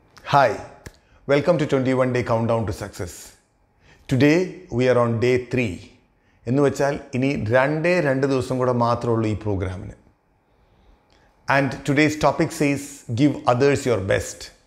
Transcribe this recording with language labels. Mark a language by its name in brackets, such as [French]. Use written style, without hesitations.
[English] Hi, welcome to 21 day countdown to success. Today we are on day 3. [Malayalam] എന്ന് വെച്ചാൽ ഇനി രണ്ട് ദിവസം കൂടെ മാത്രമേ ഉള്ളൂ ഈ പ്രോഗ്രാമിന്. [English] And today's topic says give others your best.